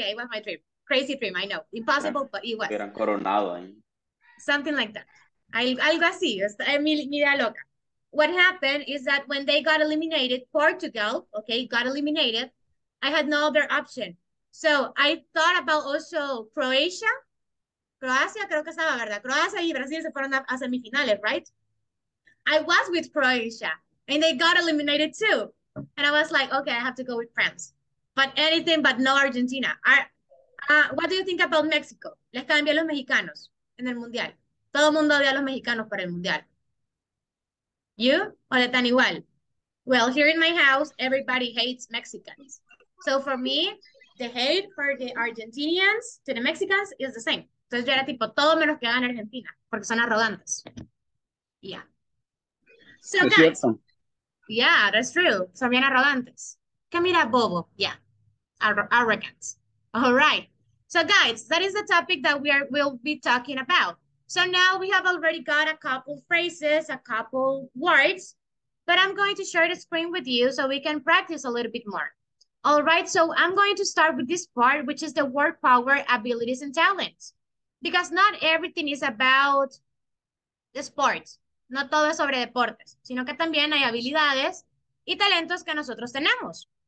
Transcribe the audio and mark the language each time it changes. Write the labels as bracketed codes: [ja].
[en] Yeah, it was my dream. Crazy dream, I know. Impossible, but it was. [es] Eran coronado, ¿eh? [en] Something like that. [es] Algo así, mi idea loca. [en] What happened is that when they got eliminated, Portugal, okay, got eliminated, I had no other option. So I thought about also Croatia. [es] Croacia, creo que estaba, ¿verdad? [en] Croacia y Brasil se fueron a semifinales, right? I was with Croatia, and they got eliminated too. And I was like, okay, I have to go with France. But anything but no Argentina. What do you think about Mexico? [es] Les cambié a los mexicanos en el Mundial. Todo el mundo odia a los mexicanos para el Mundial. [en] You? [es] ¿O le tan igual? [en] Well, here in my house, everybody hates Mexicans. So for me, the hate for the Argentinians to the Mexicans is the same. [es] Entonces yo era tipo, todo menos que hagan Argentina, porque son arrogantes. [en] Yeah. So [es] es [en] guys. [es] Cierto. [en] Yeah, that's true. [es] Son bien arrogantes. Que mira bobo. [en] Yeah. Arrogant. All right. So guys, that is the topic that we'll be talking about. So now we have already got a couple phrases, a couple words, but I'm going to share the screen with you so we can practice a little bit more. All right, so I'm going to start with this part, which is the word power, abilities, and talents. Because not everything is about the sports. [es] No todo es sobre deportes, sino que también hay habilidades y talentos que nosotros tenemos.